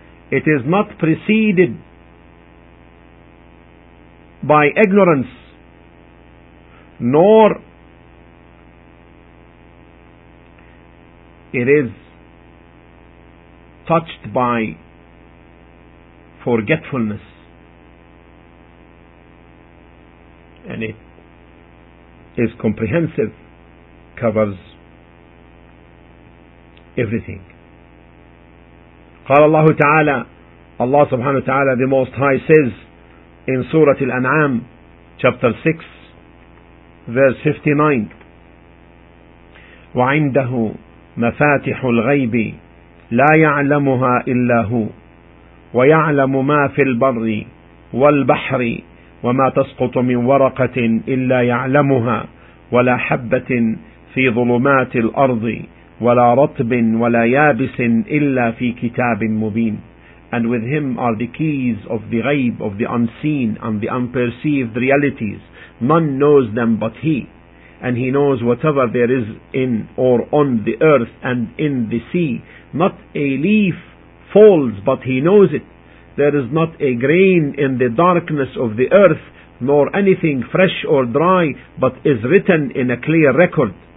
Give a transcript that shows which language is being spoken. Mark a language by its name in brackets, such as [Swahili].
[English] It is not preceded by ignorance, nor it is touched by forgetfulness, and it is comprehensive, covers everything. [Arabic] قال الله تعالى, [English] Allah subhanahu wa ta'ala, the Most High, says in Surah Al-An'am, chapter 6, verse 59, [Arabic] وعنده مفاتح الغيب لا يعلمها إلا هو ويعلم ما في البر والبحر وما تسقط من ورقة إلا يعلمها ولا حبة في ظلمات الأرض ولا رطب ولا يابس إلا في كتاب مبين. [English] And with him are the keys of the ghaib, of the unseen and the unperceived realities. None knows them but he. And he knows whatever there is in or on the earth and in the sea. Not a leaf falls, but he knows it. There is not a grain in the darkness of the earth, nor anything fresh or dry, but is written in a clear record.